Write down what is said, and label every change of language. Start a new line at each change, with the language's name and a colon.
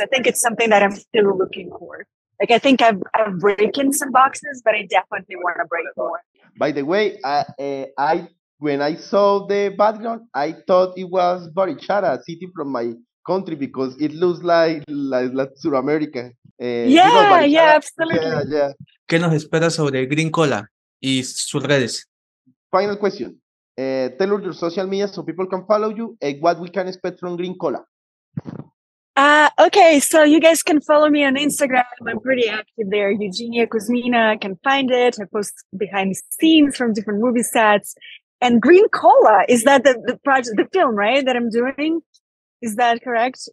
English: I think it's something that I'm still looking for. Like, I think I've broken some boxes, but I definitely want to break more. By the way, I when I saw the background, I thought it was Barichara, a city from my country, because it looks like South America. Absolutely.
Spanish: ¿Qué nos espera sobre Green Cola y sus redes?
English: Final question. Tell us your social media so people can follow you and what we can expect from Green Cola. Okay, so you guys can follow me on Instagram. I'm pretty active there. Eugenia Kuzmina, I can find it. I post behind the scenes from different movie sets. And Green Cola, is that the project, the film, right, that I'm doing? Is that correct?